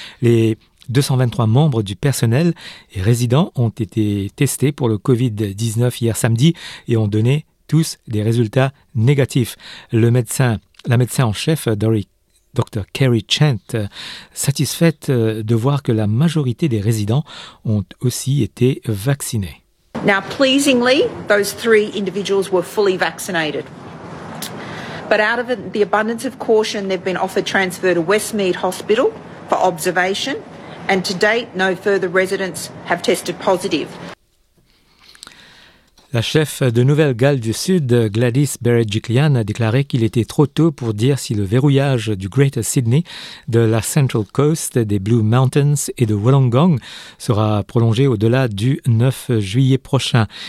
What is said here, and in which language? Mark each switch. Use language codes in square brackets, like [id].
[fr] Les 223 membres du personnel et résidents ont été testés pour le COVID-19 hier samedi et ont donné tous des résultats négatifs. La médecin en chef, Dr. Kerry Chant, satisfaite de voir que la majorité des résidents ont aussi été vaccinés. [en] Now, pleasingly, those three individuals were fully vaccinated. But out of the abundance of caution, they've been offered transfer to Westmead Hospital for observation. And to date, no further residents have tested positive. [fr] La chef de Nouvelle-Galles du Sud, Gladys Berejiklian, a déclaré qu'il était trop tôt pour dire si le verrouillage du Greater Sydney, de la Central Coast, des Blue Mountains et de Wollongong sera prolongé au-delà du 9 juillet prochain.